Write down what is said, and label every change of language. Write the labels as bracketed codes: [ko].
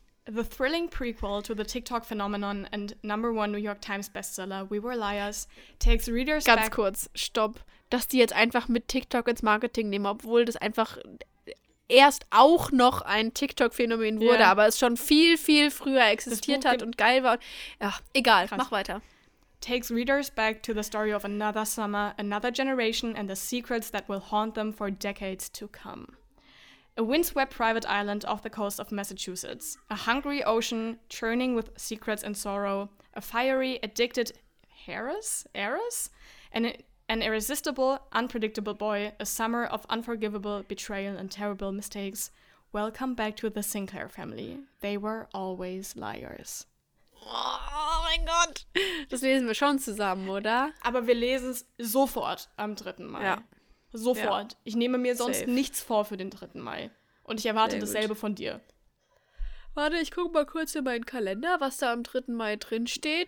[en] The thrilling prequel to the TikTok phenomenon and number one New York Times bestseller We Were Liars takes readers back. [de] Ganz kurz, stopp. Dass die jetzt einfach mit TikTok ins Marketing nehmen, obwohl das einfach erst auch noch ein TikTok-Phänomen wurde, aber es schon viel, viel früher existiert hat und geil war. Ja, egal, krass. Mach weiter. [en] Takes readers back to the story of another summer, another generation and the secrets that will haunt them for decades to come. A windswept private island off the coast of Massachusetts. A hungry ocean churning with secrets and sorrow. A fiery, addicted heiress? An An irresistible, unpredictable boy, a summer of unforgivable betrayal and terrible mistakes. Welcome back to the Sinclair family. They were always liars. [de] Oh mein Gott. Das lesen wir schon zusammen, oder? Aber wir lesen es sofort am 3. Mai. Ja. Sofort. Ja. Ich nehme mir sonst nichts vor für den 3. Mai. Und ich erwarte dasselbe von dir. Warte, ich gucke mal kurz in meinen Kalender, was da am 3. Mai drin steht.